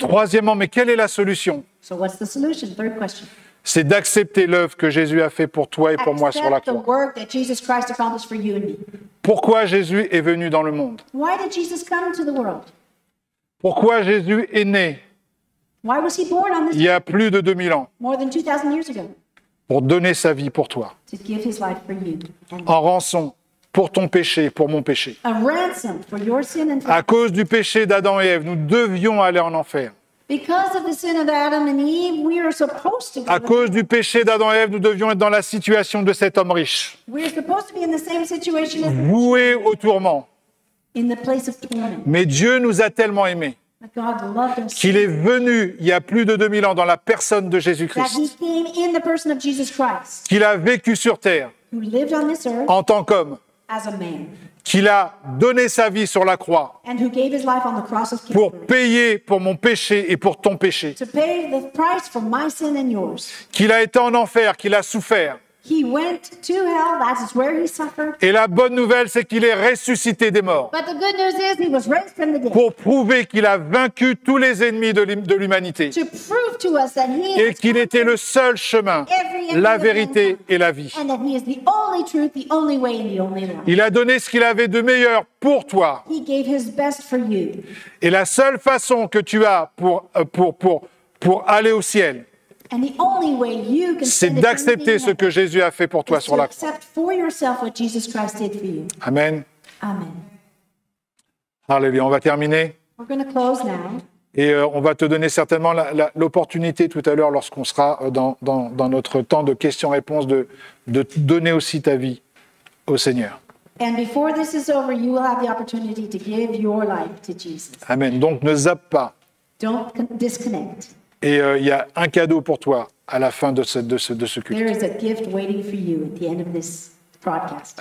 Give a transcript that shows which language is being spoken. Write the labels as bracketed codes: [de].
[fr] Troisièmement, mais quelle est la solution? [en] So what's the solution? Third question. [fr] C'est d'accepter l'œuvre que Jésus a fait pour toi et pour [en] accept [fr] moi sur la croix. [en] The work that Jesus Christ accomplished for you and me. [fr] Pourquoi Jésus est venu dans le monde? [en] Why did Jesus come to the world? [fr] Pourquoi Jésus est né? [en] Why was he born on this [fr] il y a plus de 2000 ans. [en] More than 2000 years ago. [fr] Pour donner sa vie pour toi. [en] To give his life for you. [fr] En rançon pour ton péché, pour mon péché. [en] A ransom for your sin and [fr] à cause du péché d'Adam et Ève, nous devions aller en enfer. [en] Because of the sin of Adam and Eve, we are supposed to go. [fr] À cause du péché d'Adam et Ève, nous devions être dans la situation de cet homme riche. [en] We are supposed to be in the same situation as [fr] voué au tourment. [en] In the place of torment. [fr] Mais Dieu nous a tellement aimés. [en] God loved him so [fr] qu'il est venu il y a plus de 2000 ans dans la personne de Jésus-Christ, [en] that he came in the person of Jesus Christ, [fr] qu'il a vécu sur terre [en] who lived on this earth, [fr] en tant qu'homme, [en] as a man, [fr] qu'il a donné sa vie sur la croix [en] and who gave his life on the cross of Calvary, [fr] pour payer pour mon péché et pour ton péché, [en] to pay the price for my sin and yours, [fr] qu'il a été en enfer, qu'il a souffert. [en] He went to hell, that is where he suffered. [fr] Et la bonne nouvelle, c'est qu'il est ressuscité des morts. [en] But the good news is he was raised from the dead. [fr] Pour prouver qu'il a vaincu tous les ennemis de l'humanité. [en] To prove to us that he [fr] et qu'il était le seul chemin, la vérité et la vie. [en] And that he is the only truth, the only way and the only life. [fr] Il a donné ce qu'il avait de meilleur pour toi. [en] He gave his best for you. [fr] Et la seule façon que tu as pour aller au ciel. [en] And the only way you can [fr] c'est d'accepter ce que Jésus a fait pour toi sur la croix. [en] Accept for yourself what Jesus Christ did for you. Amen. Amen. [fr] Alléluia, on va terminer. [en] We're going to close now. [fr] Et on va te donner certainement l'opportunité tout à l'heure lorsqu'on sera dans notre temps de questions-réponses de donner aussi ta vie au Seigneur. [en] And before this is over, you will have the opportunity to give your life to Jesus. [fr] Amen. Donc ne zappe pas. [en] Don't disconnect. [fr] Et il y a un cadeau pour toi à la fin de ce culte. [en] There is a gift waiting for you at the end of this broadcast.